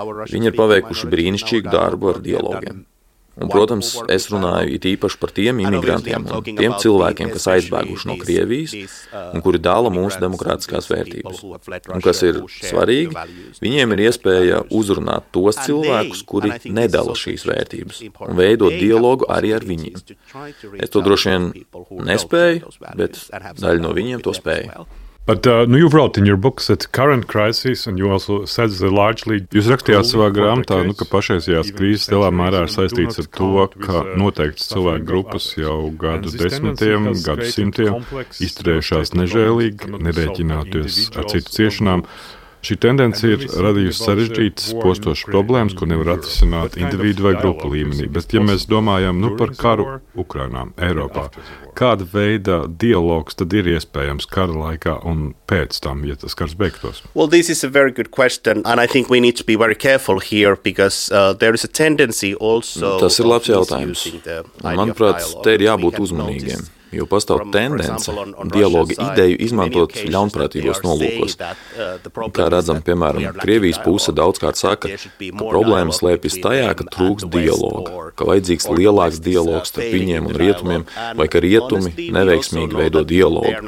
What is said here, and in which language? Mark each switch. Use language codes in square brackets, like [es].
[lv] Viņi ir paveikuši brīnišķīgu darbu ar dialogiem. Un, protams, es runāju it īpaši par tiem imigrantiem un tiem cilvēkiem, kas aizbēguši no Krievijas un kuri dala mūsu demokrātiskās vērtības. Un, kas ir svarīgi, viņiem ir iespēja uzrunāt tos cilvēkus, kuri nedala šīs vērtības un veidot dialogu arī ar viņiem. Es to droši vien nespēju, bet daļa no viņiem to spēja. [en] But you've wrote in your books that current crisis and you also said that largely [lv] jūs rakstījāt savā grāmatā, ka pašreizējās krīzes lielā mērā ir saistīts ar to, ka noteiktas cilvēku grupas jau gadu desmitiem, gadu simtiem izturējušās nežēlīgi, nerēķinātos ar citu ciešanām. Šī tendence ir radījusi sarežģītas postošas problēmas, ko nevar atrisināt individu vai grupu līmenī. Bet ja mēs domājam par karu Ukrainā, Eiropā, kāda veida dialogs tad ir iespējams kara laikā un pēc tam, ja tas karas beigtos? [en] Well, this is a very good question, and I think we need to be very careful here, because there is a tendency also... [lv] Tas ir labs jautājums. Manuprāt, te ir jābūt uzmanīgiem. Jo pastāv tendence dialoga ideju izmantot ļaunprātīgos nolūkos. Kā redzam, piemēram, Krievijas puse daudzkārt saka, ka problēma slēpjas tajā, ka trūks dialoga, ka vajadzīgs lielāks dialogs starp viņiem un rietumiem, vai ka rietumi neveiksmīgi veido dialogu.